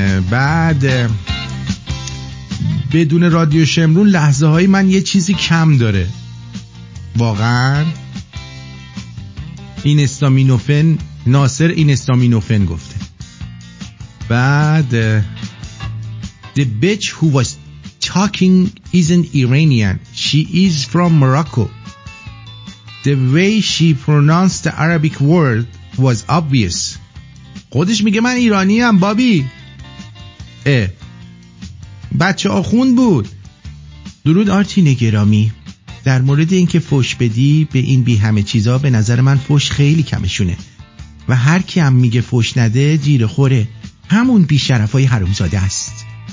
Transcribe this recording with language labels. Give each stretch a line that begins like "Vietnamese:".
Persian: بعد بدون رادیو شمرون لحظه های من یه چیزی کم داره واقعا. اینستامینوفن، ناصر اینستامینوفن گفته.
English: بعد The bitch who was talking isn't Iranian. She is from Morocco. The way she pronounced the Arabic word was obvious.
Persian: خودش میگه من ایرانی ام بابی. اه. بچه آخوند بود. درود آرتین گرامی. در مورد اینکه فوش بدی به این بی همه چیزا، به نظر من فوش خیلی کمشونه. و هر کی هم میگه فوش نده جیر خوره. همون بی شرفای حرومزاده است.